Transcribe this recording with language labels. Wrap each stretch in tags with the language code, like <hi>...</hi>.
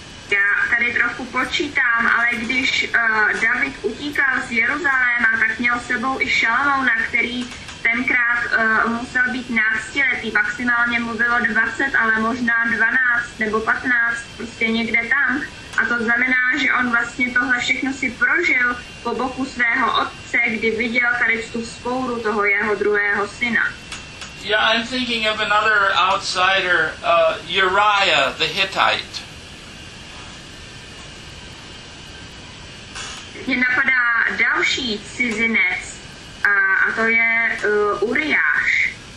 <cs>Já tady trochu počítám, ale když David utíkal z Jeruzaléma, tak měl s sebou i Šalamouna, který tenkrát musel být náctiletý, maximálně mu bylo 20, ale možná 12 nebo 15, prostě někde tam. A to znamená, že on vlastně tohle všechno si prožil po boku svého otce, kdy viděl tady tu vzpouru toho jeho druhého syna.</cs> <en>Yeah, I'm thinking of another outsider, Uriah the Hittite.</en> <cs>Mě napadá další cizinec, a to je Uriáš.</cs>